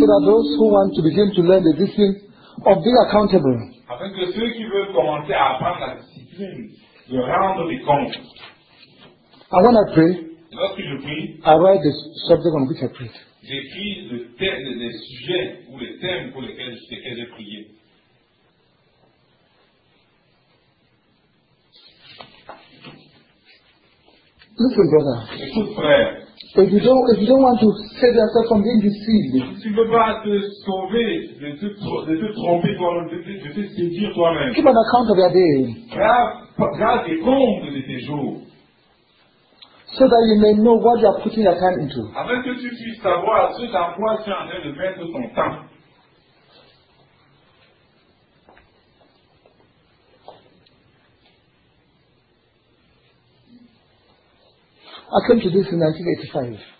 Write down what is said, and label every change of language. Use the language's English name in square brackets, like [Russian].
[English] So that those who want to begin to learn the discipline of being accountable. [French] Afin que ceux qui veulent commencer à apprendre la discipline de rendre des comptes. [English] I want to pray. [French] Lorsque je prie, [English] I write the subject on which I prayed. [French] J'écris le thème, les sujets ou les thèmes pour lesquels j'ai prié. [English] Listen, brother. [French] Écoute, frère. [English] If you don't want to save yourself from being deceived, [French] si tu ne veux pas te sauver de te tromper toi-même, de te séduire toi-même, [English] keep an account of your day. [French] Grave des comptes de tes jours. [English] So that you may know what you are putting your time into. [French] Afin que tu puisses savoir ce dans quoi tu es en train de mettre ton temps. [English] I came to this in 1985.